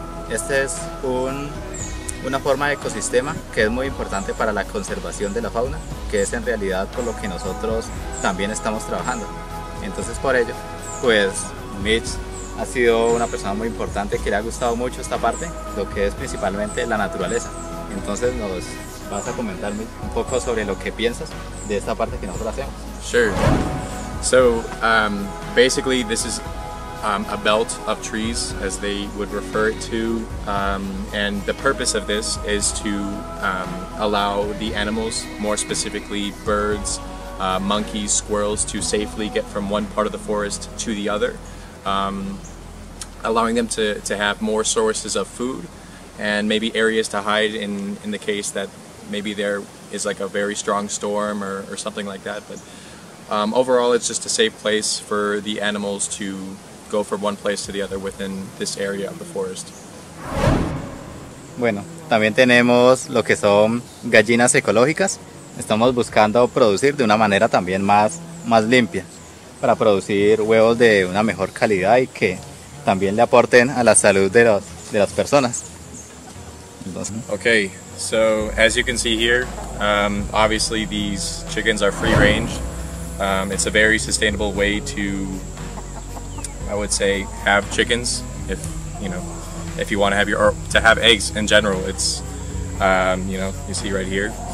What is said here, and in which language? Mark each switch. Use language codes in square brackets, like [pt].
[es] Este es una forma de ecosistema que es muy importante para la conservación de la fauna, que es en realidad por lo que nosotros también estamos trabajando. Entonces, por ello, pues, Mitch ha sido una persona muy importante que le ha gustado mucho esta parte, lo que es principalmente la naturaleza. Entonces, nos vas a comentar un poco sobre lo que piensas de esta parte que nosotros hacemos. [en] Sure. So, basically, this is a belt of trees, as they would refer it to, and the purpose of this is to allow the animals, more specifically birds, monkeys, squirrels, to safely get from one part of the forest to the other. Allowing them to have more sources of food and maybe areas to hide in the case that maybe there is like a very strong storm or something like that. But overall, it's just a safe place for the animals to go from one place to the other within this area of the forest. [es] Bueno, también tenemos lo que son gallinas ecológicas. Estamos buscando producir de una manera también más limpia, para producir huevos de una mejor calidad y que también le aporten a la salud de las personas. [en] Okay, so as you can see here, obviously these chickens are free range. It's a very sustainable way to, I would say, have chickens. If you want to have to have eggs in general, it's you see right here.